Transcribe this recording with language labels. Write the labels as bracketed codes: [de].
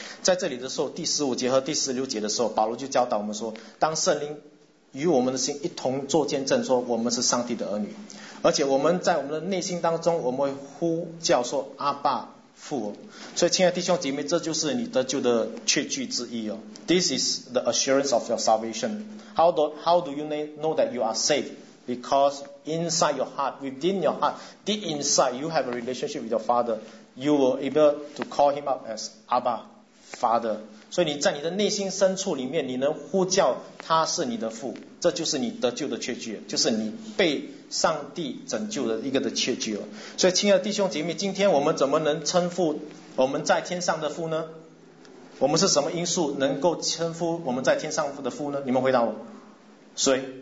[zh] 在这里的时候，第十五节和第十六节的时候，保罗就教导我们说，当圣灵与我们的心一同做见证，说我们是上帝的儿女，而且我们在我们的内心当中，我们会呼叫说阿爸父。所以亲爱的弟兄姐妹，这就是你得救的确据之一哦。 [en] This is the assurance of your salvation. How do you know that you are saved? Because inside your heart, within your heart, deep inside, you have a relationship with your father. You were able to call him up as Abba, Father. [zh] 所以你在你的内心深处里面，你能呼叫他是你的父，这就是你得救的确据，就是你被上帝拯救的一个的确据了。所以亲爱的弟兄姐妹，今天我们怎么能称呼我们在天上的父呢？我们是什么因素能够称呼我们在天上的父呢？你们回答我，谁？